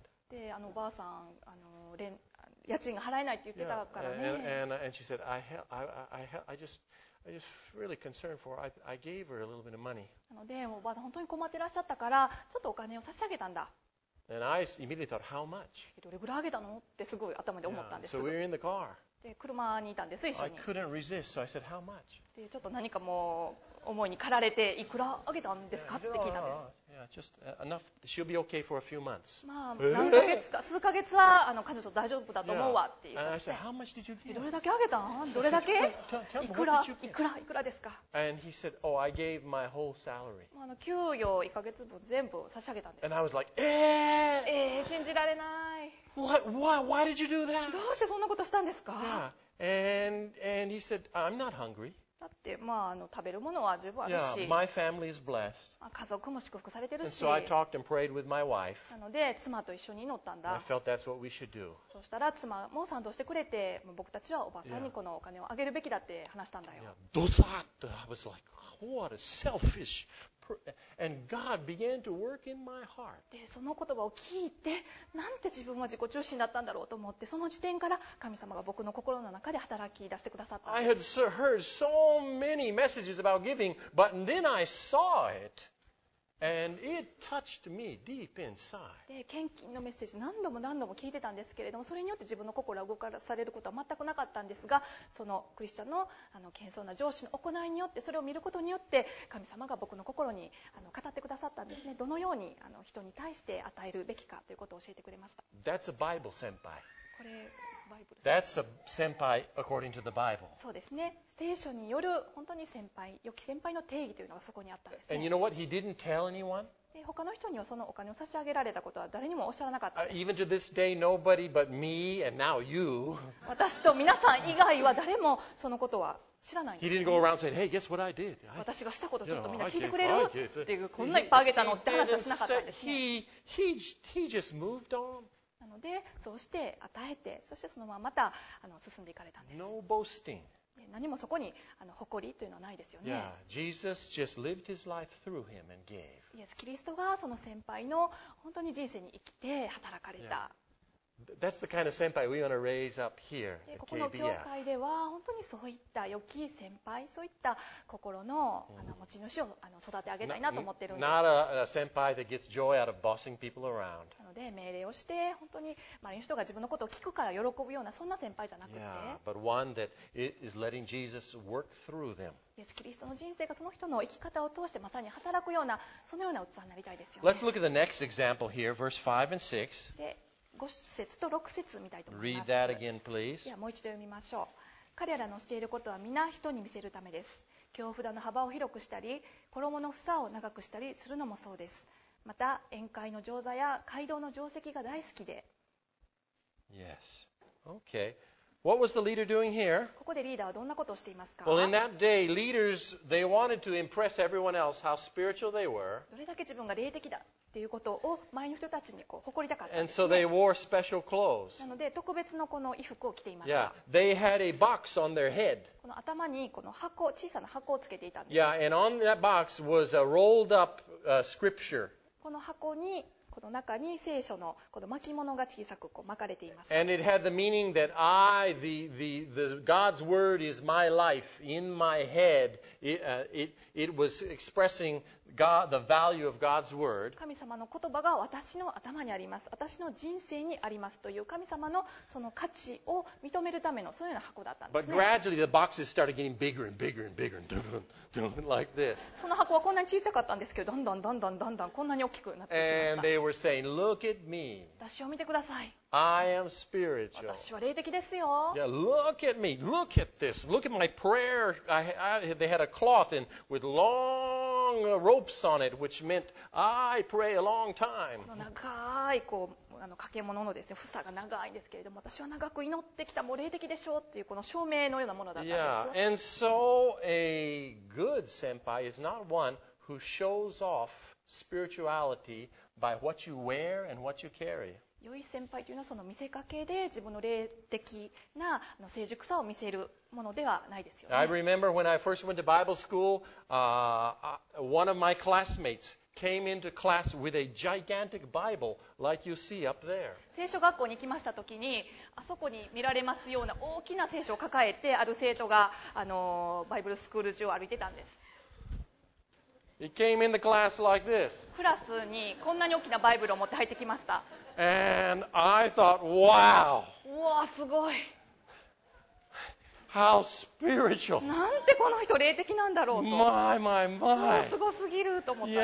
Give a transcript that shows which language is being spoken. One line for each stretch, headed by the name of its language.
Japanese: で、あのおばあさん、あの家賃が払えないって言ってたからね。
English: And she said, I just really concerned for her. I gave her a little bit of money.
Japanese: なのでおばあさん本当に困ってらっしゃったからちょっとお金を差し上げたんだ。
English: And I immediately thought, how much?
Japanese: どれぐらいあげたのってすごい頭で思ったんです。
English: Yeah. So we were in the car.
Japanese: で車にいたんです一緒に。
English: I couldn't resist, so I said, how much?
Japanese: でちょっと何かもう思いに駆られていくらあげたんですか、
English: yeah.
Japanese: って聞いたんです。
English: Yeah, just enough. She'll be okay for a few months.
Japanese: まあ何ヶ月か数ヶ月はあの彼女と大丈夫だと思うわっていう。
English: And I said, how much did you give?
Japanese: どれだけあげたん？どれだけ？いくらですか
English: ？And he said, oh, I gave my whole salary.
Japanese: まああの給与一ヶ月分全部差し上げたんです。
English: And I was like,
Japanese: 信じられない。
English: Why did you do that?
Japanese: どうしてそんなことしたんですか
English: ？And he said, I'm not hungry.
Japanese: だってまあ、あの食べるものは十分あるし
English: yeah, my family is blessed.
Japanese: 家族も祝福されてるし
English: and so I talked and prayed with my wife.
Japanese: なので妻と一緒に祈ったんだ
English: I felt that's what we should do.
Japanese: そしたら妻も賛同してくれて僕たちはおばさんにこのお金をあげるべきだって話したんだよ
English: yeah, I was like, what a selfish and God began to work in my heart.
Japanese: でその言葉を聞いてなんて自分は自己中心だったんだろうと思ってその時点から神様が僕の心の中で働き出してくださったんです
English: I had heard so many messages about giving but then I saw itAnd it touched me deep inside.
Japanese: で献金のメッセージ何度も何度も聞いてたんですけれどもそれによって自分の心が動かされることは全くなかったんですがそのクリスチャン の謙遜な上司の行いによってそれを見ることによって神様が僕の心に語ってくださったんですねどのように人に対して与えるべきかということを教えてくれました
English: That's a Bible 先輩
Japanese: これバイブル
English: That's a 先輩 according to the Bible
Japanese: そうですね聖書による本当に先輩良き先輩の定義というのがそこにあったんですね
English: And you know what? He didn't tell anyone?
Japanese: で他の人にはそのお金を差し上げられたことは誰にもおっしゃらなかったんです
English: Even to this day, nobody but me and now you
Japanese: 私と皆さん以外は誰もそのことは知らないんです、
English: ね、He didn't go around saying, hey, guess what I did?
Japanese: 私がしたことちょっとみんな聞いてくれる
English: you know, I gave,
Japanese: っていうこんないっぱいあげたのって話はしなかったんですね
English: he just moved on
Japanese: なのでそうして与えてそしてそのまままた進んでいかれたんです
English: No boasting.
Japanese: 何もそこに誇りというのはないですよね
English: yeah, Jesus just lived his life through him and gave.
Japanese: イエス・キリストがその先輩の本当に人生に生きて働かれた、
English: yeah. That's the kind of 先輩 we want to raise up here at KBF.
Japanese: ここの教会では本当にそういった良き先輩そういった心の持ち主を育て上げたいなと思ってるんです
English: Not a 先輩 that gets joy out of bossing people around
Japanese: で命令をして本当に周りの人が自分のことを聞くから喜ぶようなそんな先輩じゃなくて
English: yeah, but one that is letting Jesus work through them.
Japanese: イエス・キリストの人生がその人の生き方を通してまさに働くようなそのような器になりたいですよね
English: Let's look at the next example here, verse 5 and 6.
Japanese: で5節と6節見たいと思います
English: Read that again, please.
Japanese: ではもう一度読みましょう彼らのしていることは皆人に見せるためです経札の幅を広くしたり衣の房を長くしたりするのもそうですまた宴会の醸座や街道の定石が大好きで。
English: Yes. Okay. What was the leader doing here?
Japanese: ここでリーダーはどんなことをしていますか?
English: Well, in that day, leaders, they wanted to impress everyone else how spiritual they were.
Japanese: どれだけ自分が霊的だっていうことを周りの人たちにこう誇りたかったんですね。
English: And so they wore special clothes.
Japanese: なので特別のこの衣服を着ていました。
English: Yeah. They had a box on their head.
Japanese: この頭にこの箱、小さな箱をつけていたんです。
English: Yeah, and on that box was a rolled up, scripture.
Japanese: この箱にこの中に聖書のこの巻物が小さくこう巻かれています。
English: And it had the meaning that I, the God's word is my life in my head. It was expressing God, the value of God's word.
Japanese: 神様の言葉が私の頭にあります。私の人生にありますという神様のその価値を認めるためのそのような箱だったんですね。
English: But gradually the boxes started getting bigger and bigger and bigger and like this.
Japanese: その箱はこんなに小さかったんですけど、どんどんどんどんどんどんこんなに大きくなってきました。
English: And they were saying, "Look at me."
Japanese: 私を見てください。
English: I am spiritual.
Japanese: 私は霊的ですよ。
English: Yeah, look at me. Look at this. Look at my prayer. They had a cloth and with long ropes on it, which meant I pray a long time.
Japanese: この長いこう掛け物のですね、房が長いんですけれども、私は長く祈ってきた、もう霊的でしょうっていうこの証明のようなものだったんです。
English: Yeah, and so a good 先輩 is not one who shows off spirituality by what you wear and what you carry.
Japanese: 良い先輩というのはその見せかけで自分の霊的な成熟さを見せるものではないですよね。
English: I remember when I first went to Bible school, one of my classmates, came into class with a gigantic Bible like you see up there.
Japanese: 聖書学校に来ました時に、あそこに見られますような大きな聖書を抱えてある生徒が、バイブルスクール中を歩いてたんです。
English: He came in the class like this.
Japanese: クラスにこんなに大きなバイブルを持って入ってきました。
English: And I thought, wow!
Japanese: うわー、すごい。
English: How spiritual.
Japanese: なんてこの人霊的なんだろうと。
English: My, my, my.
Japanese: すごすぎると思ったんです。